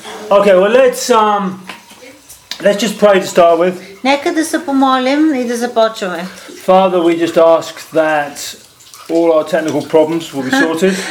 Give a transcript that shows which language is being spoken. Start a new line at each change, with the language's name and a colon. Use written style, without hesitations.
English: Okay, well let's just pray to start with.
Bulgarian: Нека да се помолим и да започваме.
English: Father, we just ask that all our technical problems will be sorted.